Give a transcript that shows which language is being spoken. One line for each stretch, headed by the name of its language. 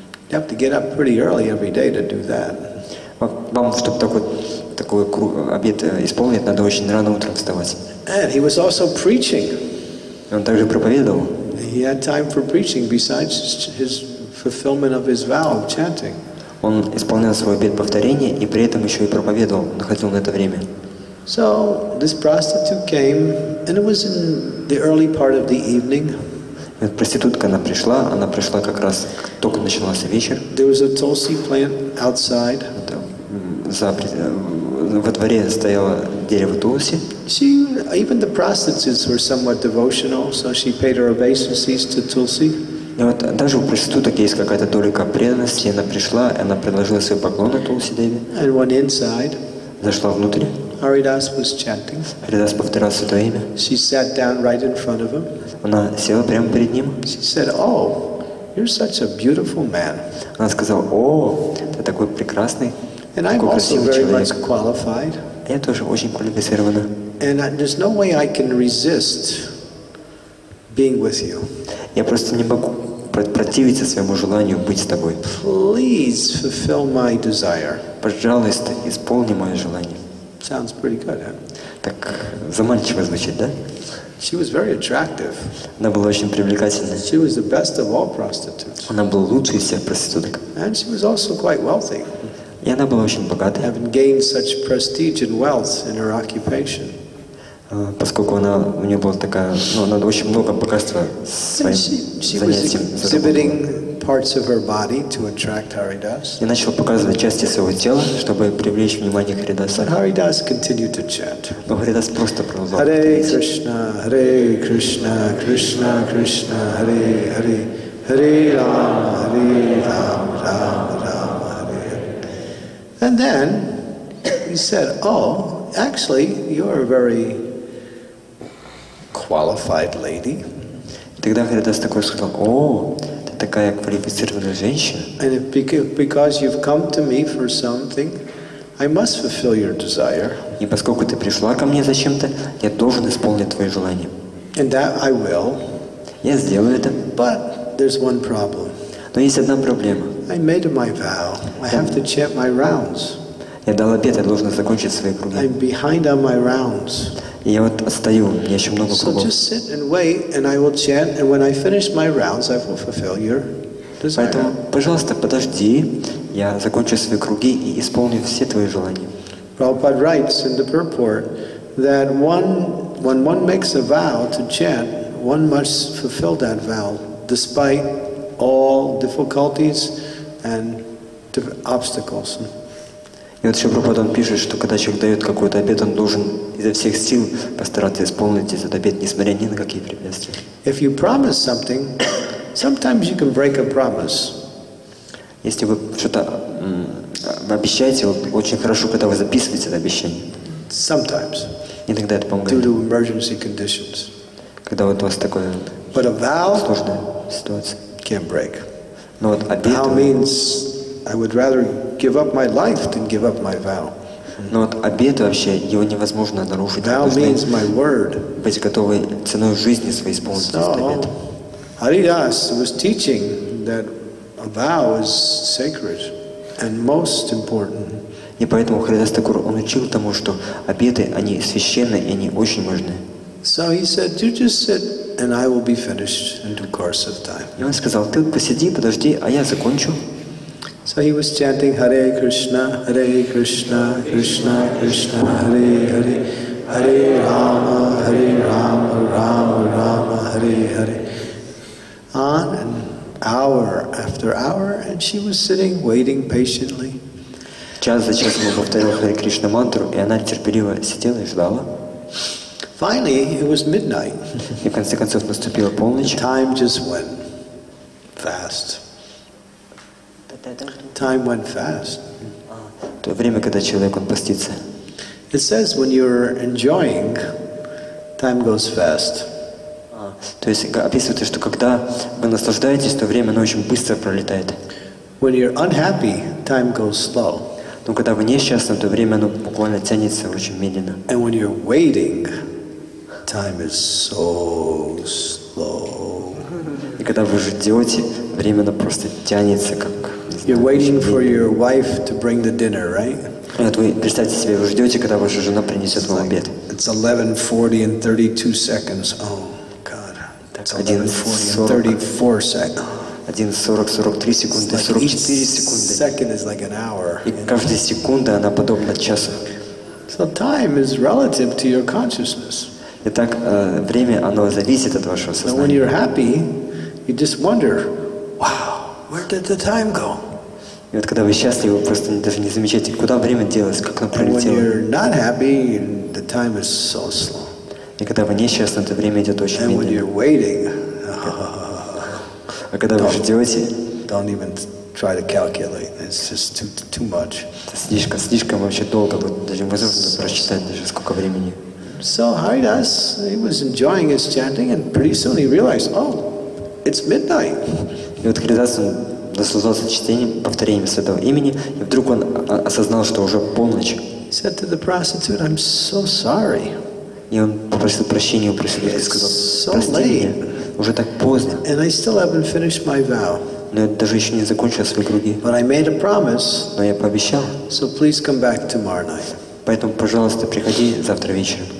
English: You have to get up pretty early every day to do that.
Russian: Вам, чтобы такой круг обет исполнить, надо очень рано утром вставать.
English: And he was also preaching.
Russian: И он также проповедовал.
English: He had time for preaching besides his fulfillment of his vow of chanting.
Russian: Он исполнял свой обет повторения и при этом еще и проповедовал, находил на это время.
English: So this prostitute came, and it was in the early part of the evening.
Russian: Проститутка, она пришла как раз, только начался вечер.
English: There was a tulsi plant outside.
Russian: Во дворе стояло дерево тулси.
English: She, even the prostitutes were somewhat devotional, so she paid her obeisances to tulsi.
Russian: И вот даже у проституток есть какая-то толика преданности, она пришла, она предложила свои поклоны тулси деве.
English: And went inside.
Russian: Зашла внутрь.
English: Haridas was chanting.
Russian: Haridas повторял свое имя.
English: She sat down right in front of him.
Russian: Она села прямо перед ним.
English: She said, "Oh, you're such a beautiful man."
Russian: Она сказала: "О, ты такой прекрасный,
English: and
Russian: такой
English: I'm
Russian: красивый
English: also
Russian: человек.
English: Very much qualified.
Russian: Я тоже очень квалифицирована.
English: And there's no way I can resist being with you.
Russian: Я просто не могу противиться своему желанию быть с тобой.
English: Please fulfill my desire.
Russian: Пожалуйста, исполни мое желание."
English: Sounds pretty good, huh?
Russian: Так заманчиво звучит, да?
English: She was very attractive.
Russian: Она была очень привлекательна.
English: She was the best of all prostitutes.
Russian: Она была лучшей из всех проституток.
English: And she was also quite wealthy.
Russian: И она была очень богата.
English: Having gained such prestige and wealth in her occupation.
Russian: Поскольку она у нее была такая, ну, она очень много богатства своим занятием заработала.
English: Parts of her body to attract Haridas.
Russian: Я начал показывать части своего тела, чтобы привлечь внимание Харидаса.
English: But Haridas continued to chant.
Russian: Но Харидас просто продолжал.
Sanskrit: Hare Krishna, Hare Krishna, Krishna Krishna, Hare Hare, Hare Rama, Hare Rama, Rama Rama, Hare Hare.
English: And then he said, "Oh, actually, you are a very qualified lady."
Russian: Тогда Харидас такой сказал: "О, такая квалифицированная женщина.
English: And if because you've come to me for something, I must fulfill your desire.
Russian: И поскольку ты пришла ко мне за чем-то, я должен исполнить твои желания.
English: And that I will.
Russian: Я сделаю это.
English: But there's one problem.
Russian: Но есть одна проблема.
English: I made my vow. I have to chant my rounds.
Russian: Я дал обет, я должен закончить свои круги.
English: I'm behind on my rounds.
Russian: Я вот отстаю, у меня еще много кругов.
English: So just sit and wait, and I will chant, and when I finish my rounds, I will fulfill your desire.
Russian: Поэтому, пожалуйста, подожди, я закончу свои круги и исполню все твои желания.
English: Prabhupada writes in the purport that when one makes a vow to chant, one must fulfill that vow despite all difficulties and obstacles.
Russian: И вот Шрила пишет, что когда человек дает какой-то обет, он должен изо всех сил постараться исполнить этот обет, несмотря ни на какие препятствия.
English: If you promise something, sometimes you can break a promise.
Russian: Если вы что-то обещаете, очень хорошо, когда вы записываете это обещание.
English: Sometimes.
Russian: Иногда это помогает.
English: Due to emergency conditions.
Russian: Когда вот у вас такое сложная ситуация.
English: Can't break.
Russian: Но вот обет.
English: Vow means I would rather give up my life than give up my vow.
Russian: Но вот обет вообще его невозможно нарушить.
English: Vow means my word.
Russian: Быть готовой ценой жизни своей исполнить этот обет.
English: Haridas was teaching that a vow is sacred and most important.
Russian: И поэтому Харидас Тхакур он учил тому, что обеты они священны и они очень важны.
English: So he said, "You just sit, and I will be finished in due course of time."
Russian: И он сказал, ты посиди, подожди, а я закончу.
English: So he was chanting,
Sanskrit: "Hare Krishna, Hare Krishna, Krishna Krishna, Hare Hare, Hare Rama, Hare Rama, Rama Rama, Hare Hare."
English: On and hour after hour, and she was sitting, waiting patiently.
Russian: Час за часом повторял Харе Кришна мантру, и она терпеливо сидела и ждала.
English: Finally, it was midnight.
Russian: И в конце концов наступила полночь.
English: Time just went fast. Time went fast.
Russian: То время, когда человек он постится.
English: It says when you're enjoying, time goes fast.
Russian: То есть описывается, что когда вы наслаждаетесь, то время оно очень быстро пролетает.
English: When you're unhappy, time goes slow.
Russian: Но когда вы несчастны, то время оно буквально тянется очень медленно.
English: And when you're waiting. Time is so slow.
Russian: И когда вы ждете, время оно просто тянется как.
English: You're waiting for your wife to bring the dinner, right?
Russian: Вот вы представьте себе, вы ждете, когда ваша жена принесет вам обед.
English: It's 11:40 and 32 seconds. Oh God. 11:40 and 34 seconds. 11:40-43
Russian: секунды. 44 секунды.
English: Second is like an hour.
Russian: И каждая секунда она подобна часу.
English: So time is relative to your consciousness.
Russian: Итак, время, оно зависит от вашего сознания.
English: Now, when you're happy, you just wonder, wow, where did the time go?
Russian: И вот когда вы счастливы, вы просто даже не замечаете, куда время делось, как оно пролетело.
English: And when you're not happy, the time is so slow.
Russian: И когда вы несчастны, то время идет очень медленно.
English: And when you're waiting,
Russian: а когда вы ждете,
English: don't even try to calculate. It's just too much.
Russian: Слишком вообще долго, вот даже невозможно просчитать даже сколько времени.
English: So Haridas, he was enjoying his chanting, and pretty soon he realized, oh, it's midnight.
Russian: И вот Харидас наслаждался чтением, повторением святого имени, и вдруг он осознал, что уже полночь.
English: He said to the prostitute, "I'm so sorry."
Russian: И он попросил прощения у проститутки, сказал, "Прости меня, уже так поздно."
English: And I still haven't finished my vow.
Russian: Но я даже еще не закончил свои круги.
English: But I made a promise.
Russian: Но я пообещал.
English: So please come back tomorrow night.
Russian: Поэтому, пожалуйста, приходи завтра вечером.